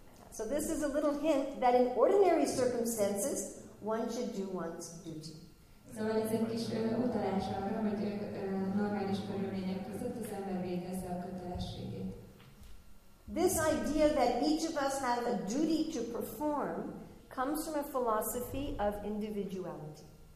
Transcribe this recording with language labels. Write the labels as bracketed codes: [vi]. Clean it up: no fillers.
[en] So this is a little hint that in ordinary circumstances one should do one's duty. [hu] So ez egy kis utalás arra, hogy normális körülmények között az ember végezze a kötelességét. [en] This idea that each of us have a duty to perform comes from a philosophy of individuality.